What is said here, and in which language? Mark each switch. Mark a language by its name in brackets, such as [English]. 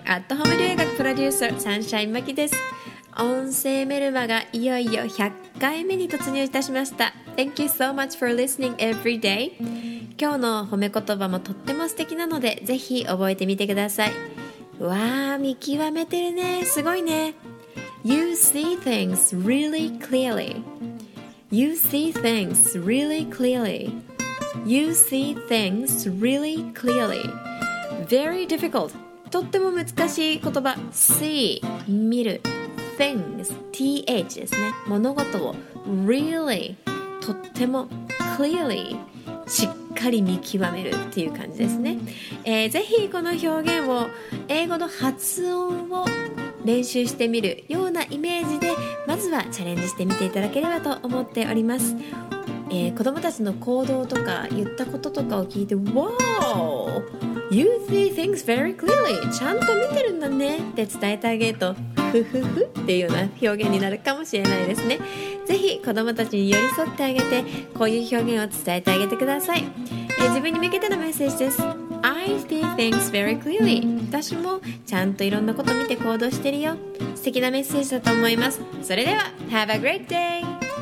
[Japanese] アットホーム留学プロデューサーサンシャイン牧です。音声メルマガいよいよ100回目に突入いたしました。 [English] Thank you so much for listening every day。 [Japanese] 今日の褒め言葉もとっても素敵なので、ぜひ覚えてみてください。わー、見極めてるね、すごいね。 [English] You see things really clearly. You see things really clearly. You see things really clearly. Very difficult. [Japanese] とっても難しい言葉。See 見る。 Things TH ですね、物事を。Really とっても clearly しっかり見極めるっていう感じですね。ぜひこの表現を英語の発音を練習してみるようなイメージで、まずはチャレンジしてみていただければと思っております。子供たちの行動とか言ったこととかを聞いて、 Wow! [English] You see things very clearly! [Japanese] ちゃんと見てるんだねって伝えてあげると、ふふふっていうような表現になるかもしれないですね。ぜひ子供たちに寄り添ってあげて、こういう表現を伝えてあげてください。自分に向けてのメッセージです。 [English] I see things very clearly. [Japanese] 私もちゃんといろんなこと見て行動してるよ。素敵なメッセージだと思います。それでは [English] Have a great day!